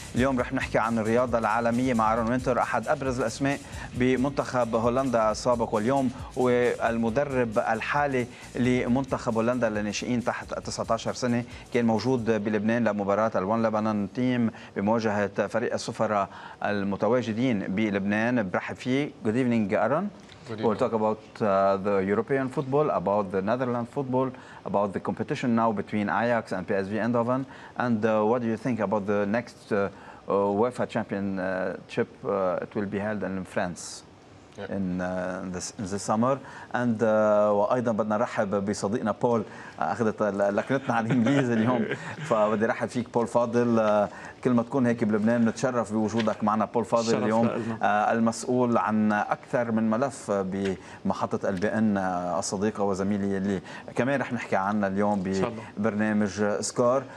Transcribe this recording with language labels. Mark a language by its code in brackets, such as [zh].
[ar] اليوم رح نحكي عن الرياضه العالميه مع ارون وينتر، احد ابرز الاسماء بمنتخب هولندا السابق واليوم، والمدرب الحالي لمنتخب هولندا للناشئين تحت 19 سنه. كان موجود بلبنان لمباراه الوان لبنان تيم بمواجهه فريق السفراء المتواجدين بلبنان. برحب فيه. جود ايفنينج ارون. [en] We'll talk about the European football, about the Netherlands football, about the competition now between Ajax and PSV Eindhoven, and what do you think about the next UEFA Championship? It will be held in France in this summer. [ar] And وأيضا بدنا نرحب بصديقنا بول، أخذت لكنتنا على الإنجليزي اليوم، فبدي رحب فيك بول فاضل. كل ما تكون هيك بلبنان نتشرف بوجودك معنا. بول فاضل اليوم المسؤول عن أكثر من ملف بمحطة البيئن، الصديقة وزميلي اللي كمان رح نحكي عنها اليوم ببرنامج سكور.